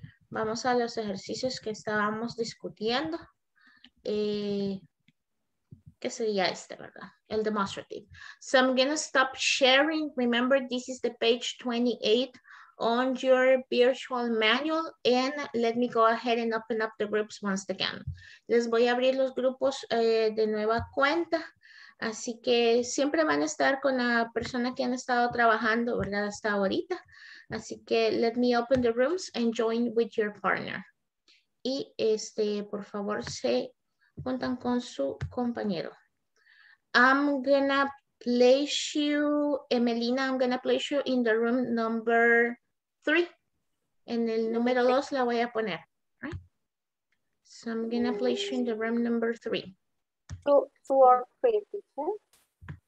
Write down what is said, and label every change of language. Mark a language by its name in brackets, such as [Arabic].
[Spanish] Vamos a los ejercicios que estábamos discutiendo. ¿Qué sería este, verdad? El demonstrative. [English] So I'm gonna stop sharing. Remember, this is the page 28 on your virtual manual, and let me go ahead and open up the groups once again. [Spanish] Les voy a abrir los grupos de nueva cuenta, así que siempre van a estar con la persona que han estado trabajando, ¿verdad?, hasta ahorita. Así que [English] let me open the rooms and join with your partner. [Spanish] Y este, por favor, se juntan con su compañero. [English] I'm gonna place you, Emelina, I'm gonna place you in the room number 3. [Spanish] En el número 2 la voy a poner. [English] Right? So I'm gonna place you in the room number 3. 2 or 3, teacher.